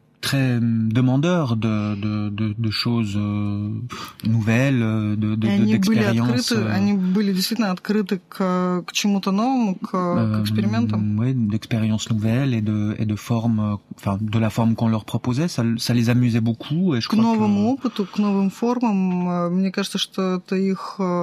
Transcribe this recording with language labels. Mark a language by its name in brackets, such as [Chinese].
[French] Très demandeur de choses nouvelles, d'expériences. [Russian] Они были действительно открыты к чему-то новому, к экспериментам. [French] Oui, d'expériences nouvelles et de formes, enfin de la forme qu'on leur proposait, ça les amusait beaucoup. [Russian] К новому опыту, к новым формам, мне кажется, что это их